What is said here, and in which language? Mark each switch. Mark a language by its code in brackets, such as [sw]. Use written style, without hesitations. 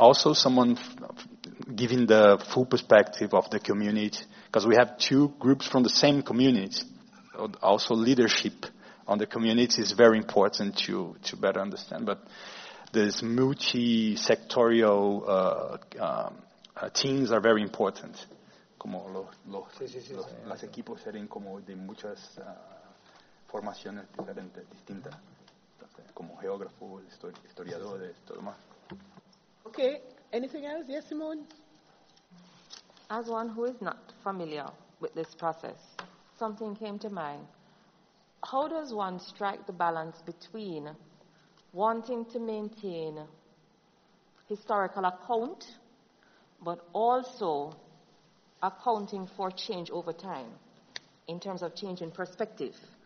[en] Also, someone giving the full perspective of the community, because we have two groups from the same community. Also, leadership on the community is very important to better understand. But these multi-sectorial teams are very important. [es] Como los equipos serían como de muchas formaciones diferentes, distintas, como geógrafos, historiadores, todo más. [en] Okay, anything else? Yes, Simone. As one who is not familiar with this process, something came to mind. How does one strike the balance between wanting to maintain historical account, but also accounting for change over time in terms of change in perspective?